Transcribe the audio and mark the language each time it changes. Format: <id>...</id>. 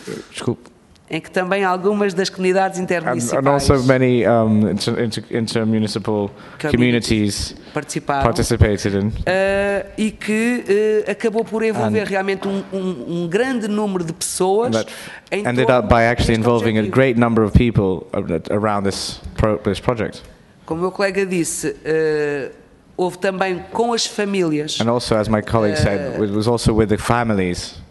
<pt>Desculpe. Em que também algumas das comunidades intermunicipais</pt> <en>and also many intermunicipal communities</en> <pt>participaram.</pt> <en>Participated in.</en> <pt>E que acabou por envolver realmente um grande número de pessoas.</pt> <en>Ended up by actually involving a great number of people around this project.</en> <pt>Como o meu colega disse, houve também com as famílias.</pt> <en>And also, as my colleague said, it was also with the families.</en>